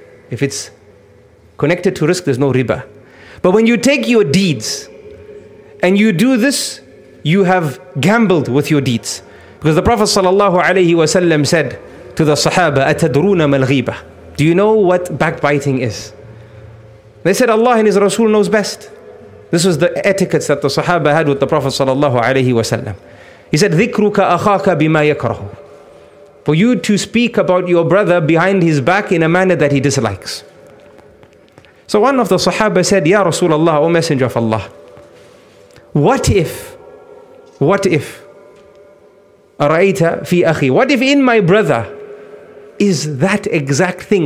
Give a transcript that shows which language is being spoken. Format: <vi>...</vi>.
<en>If it's connected to risk, there's no riba. But when you take your deeds and you do this, you have gambled with your deeds. Because the Prophet sallallahu alayhi wa sallam said to the Sahaba,</en> <ar>أَتَدْرُونَ مَا الْغِيبَ?</ar> <en>Do you know what backbiting is? They said, Allah and His Rasul knows best. This was the etiquette that the Sahaba had with the Prophet sallallahu alayhi wa sallam. He said,</en> <ar>ذِكْرُكَ أَخَاكَ بِمَا يَكْرَهُ.</ar> <en>For you to speak about your brother behind his back in a manner that he dislikes. So one of the Sahaba said, Ya Rasulullah, O Messenger of Allah, what if,</en> <ar>أَرَأَيْتَ فِي أَخِي,</ar> <en>what if in my brother is that exact thing?</en>